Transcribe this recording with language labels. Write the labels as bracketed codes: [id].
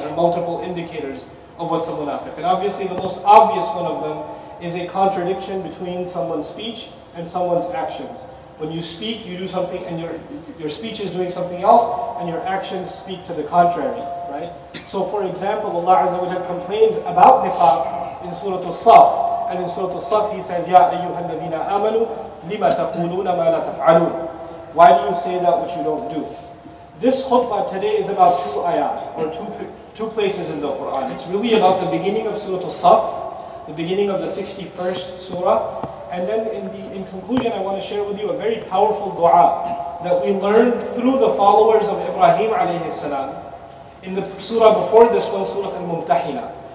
[en] There are multiple indicators of what's a munafiq. And obviously the most obvious one of them is a contradiction between someone's speech and someone's actions. When you speak, you do something, and your speech is doing something else, and your actions speak to the contrary, right? So for example, Allah Azza wa Jalla complains about nifaq in Surah As-Saff. And in Surah As-Saff, He says, [ar] يَا أَيُّهَا الَّذِينَ آمَنُوا لِمَ تَقُولُونَ مَا لَا تَفْعَلُونَ. [en] Why do you say that which you don't do? This khutbah today is about two ayat, or two places in the Qur'an. It's really about the beginning of Surah As-Saff, the beginning of the 61st surah. And then in conclusion, I want to share with you a very powerful dua that we learned through the followers of Ibrahim alayhi salam in the surah before this one, Surah Al-Mumtahina.